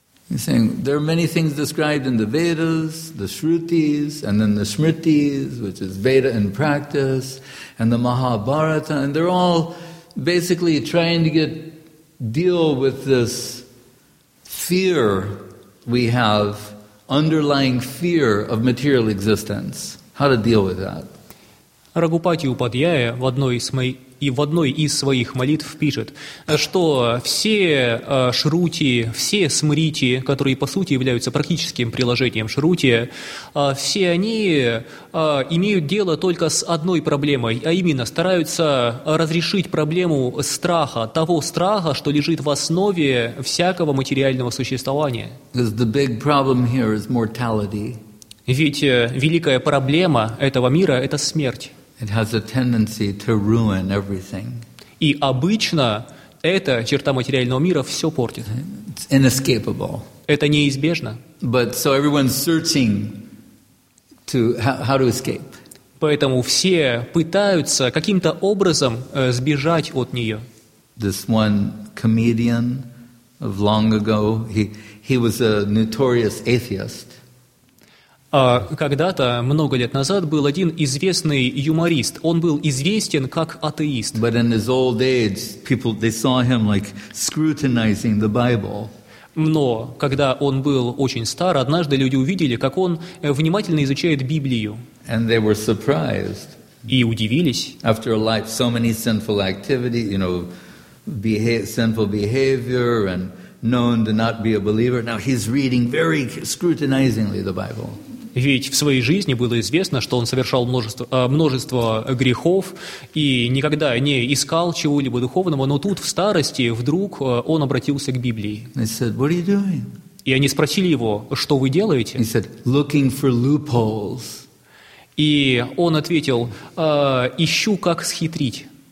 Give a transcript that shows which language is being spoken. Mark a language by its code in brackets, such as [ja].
[en] He's saying, there are many things described in the Vedas, the Shrutis, and then the Smritis, which is Veda in practice, and the Mahabharata, and they're all basically trying to deal with this fear we have, underlying fear of material existence. How to deal with that? [ru] Рагхупати Упадхьяя в одной из своих молитв пишет, что все шрути, все смрити, которые по сути являются практическим приложением шрути, все они имеют дело только с одной проблемой, а именно стараются разрешить проблему страха, того страха, что лежит в основе всякого материального существования. [en] Because the big problem here is mortality. [ru] Ведь великая проблема этого мира – это смерть. [en] It has a tendency to ruin everything. [ru] И обычно эта черта материального мира все портит. [en] It's inescapable. [ru] Это неизбежно. [en] But so everyone's searching to how to escape. [ru] Поэтому все пытаются каким-то образом сбежать от нее. [en] This one comedian of long ago, he was a notorious atheist. [ru] Когда-то, много лет назад, был один известный юморист. Он был известен как атеист. [en] But in his old age, people, they saw him like scrutinizing the Bible. [ru] Но когда он был очень стар, однажды люди увидели, как он внимательно изучает Библию. [en] And they were surprised. [ru] И удивились. [en] After a life so many sinful activities, you know, sinful behavior and known to not be a believer, now he's reading very scrutinizingly the Bible. [ru] Ведь в своей жизни было известно, что он совершал множество грехов и никогда не искал чего-либо духовного, но тут в старости вдруг он обратился к Библии. [en] They said, "What are you doing?" [ru] И они спросили его, что вы делаете? [en] He said, "Looking for loopholes." [ru] И он ответил, ищу, как схитрить.